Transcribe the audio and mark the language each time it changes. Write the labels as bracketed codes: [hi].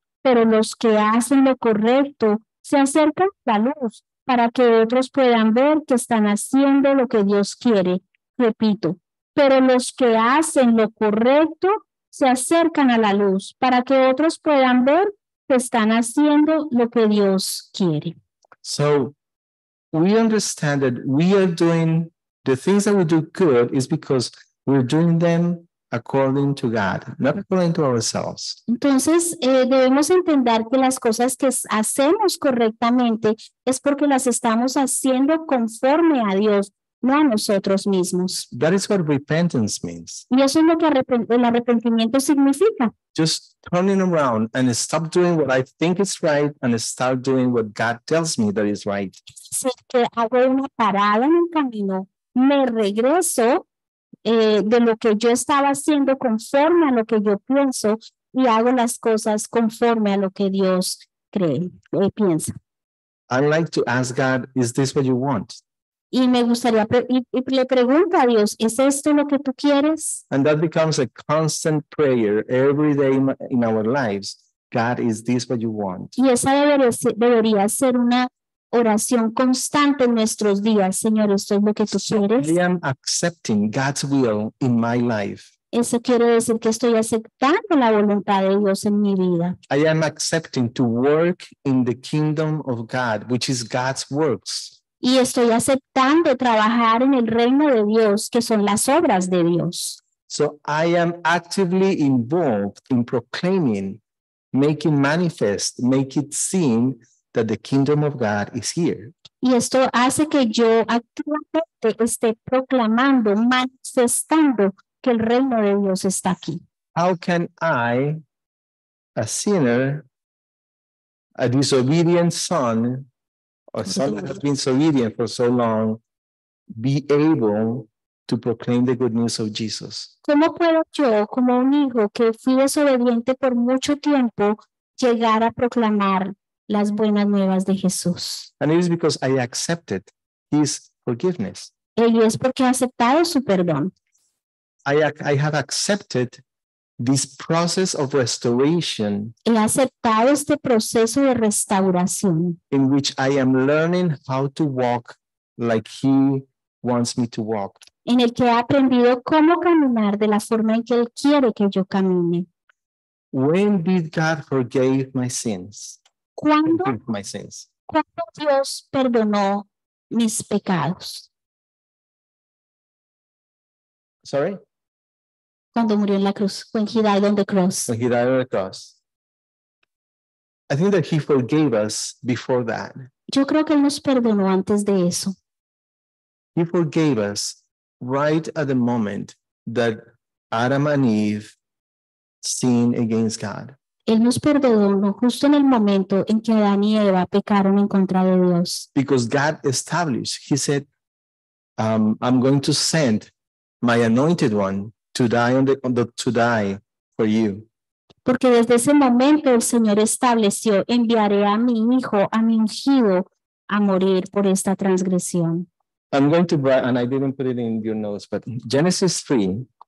[es] Pero los que hacen lo correcto se acercan a la luz para que otros puedan ver que están haciendo lo que Dios quiere. Repito. Pero los que hacen lo correcto se acercan a la luz para que otros puedan ver que están haciendo lo que Dios quiere. [en] So, we understand that we are doing the things that we do good is because we're doing them according to God, not according to ourselves. [es] Entonces, debemos entender que las cosas que hacemos correctamente es porque las estamos haciendo conforme a Dios. No a nosotros mismos. [en] That is what repentance means. [es] Y eso es lo que el arrepentimiento significa. [en] Just turning around and stop doing what I think is right and start doing what God tells me that is right. [es] Sí, que hago una parada en el camino, me regreso de lo que yo estaba haciendo conforme a lo que yo pienso y hago las cosas conforme a lo que Dios cree y piensa. [en] I like to ask God, is this what you want? [es] Y me gustaría y le pregunto a Dios, ¿es esto lo que tú quieres? [en] And that becomes a constant prayer every day in our lives. God, is this what you want? [es] Y esa debería ser una oración constante en nuestros días, Señor, esto es lo que tú quieres. [en] I am accepting God's will in my life. [es] Eso quiere decir que estoy aceptando la voluntad de Dios en mi vida. [en] I am accepting to work in the kingdom of God, which is God's works. [es] Y estoy aceptando trabajar en el reino de Dios, que son las obras de Dios. [en] So I am actively involved in proclaiming, making manifest, make it seen that the kingdom of God is here. [es] Y esto hace que yo actualmente esté proclamando, manifestando que el reino de Dios está aquí. [en] How can I, a sinner, a disobedient son, or son that has been disobedient for so long, be able to proclaim the good news of Jesus? [es] ¿Cómo puedo yo, como un hijo que fui desobediente por mucho tiempo, llegar a proclamar las buenas nuevas de Jesús? [en] And it is because I accepted his forgiveness. [es] Y es porque he aceptado su perdón. [en] I have accepted this process of restoration. [es] He aceptado este proceso de restauración. [en] In which I am learning how to walk like he wants me to walk. [es] En el que he aprendido cómo caminar de la forma en que él quiere que yo camine. [en] When did God forgive my sins? [es] ¿Cuándo Dios perdonó mis pecados? [en] Sorry? [es] Cuando murió en la cruz. [en] When he died on the cross. When he died on the cross. I think that he forgave us before that. [es] Yo creo que él nos perdonó antes de eso. [en] He forgave us right at the moment that Adam and Eve sinned against God. [es] Él nos perdonó justo en el momento en que Adán y Eva pecaron en contra de Dios. [en] Because God established, he said, I'm going to send my anointed one to die to die for you. [es] Porque desde ese momento el Señor estableció, enviaré a mi hijo, a mi ungido, a morir por esta transgresión. [en] I'm going to, and I didn't put it in your notes, but Genesis 3.